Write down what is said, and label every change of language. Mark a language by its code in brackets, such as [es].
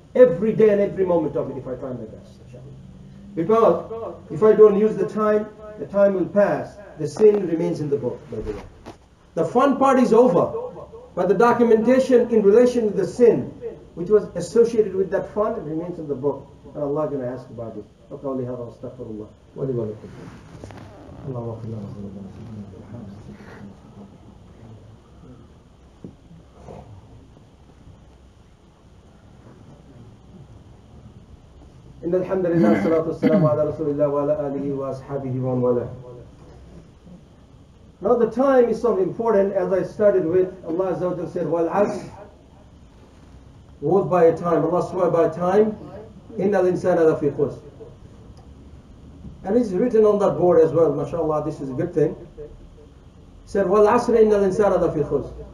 [en] Every day and every moment of it, if I try my best. Because if I don't use the time will pass. The sin remains in the book, by the way. The fun part is over. But the documentation in relation to the sin, which was associated with that fund, remains in the book. And Allah is going to ask about it. [ar] وقولي هذا استغفر الله ولي ولكم الله اكبر الله اكبر الله اكبر ان الحمد لله والصلاه والسلام على رسول الله وعلى اله واصحابه ومن والاه. [en] Now the time is so important, as I started with, Allah Azza wa Jalla said, wal asr, woe by a time, Allah swore by a time, innal insana lafi khusr. And it's written on that board as well, mashallah, this is a good thing. It said, wal asr innal insana lafi khusr.